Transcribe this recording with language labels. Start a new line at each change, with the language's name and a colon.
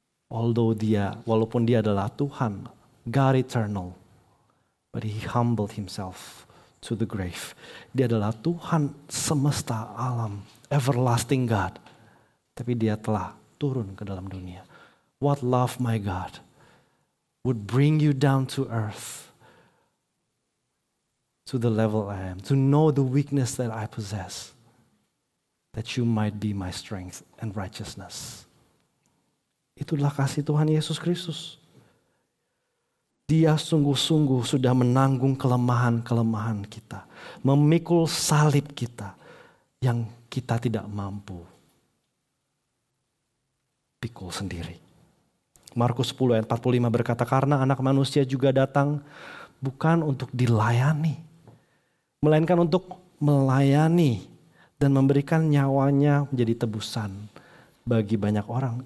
Indonesian: Walaupun dia adalah Tuhan,
English: God eternal, but he humbled himself to the grave.
Indonesian: Dia adalah Tuhan semesta alam,
English: everlasting God.
Indonesian: Tapi dia telah turun ke dalam dunia.
English: What love my God would bring you down to earth, to the level I am, to know the weakness that I possess, that you might be my strength and righteousness.
Indonesian: Itulah kasih Tuhan Yesus Kristus. Dia sungguh-sungguh sudah menanggung kelemahan-kelemahan kita, memikul salib kita yang kita tidak mampu pikul sendiri. Markus 10 ayat 45 berkata, karena anak manusia juga datang bukan untuk dilayani, melainkan untuk melayani dan memberikan nyawanya menjadi tebusan bagi banyak orang.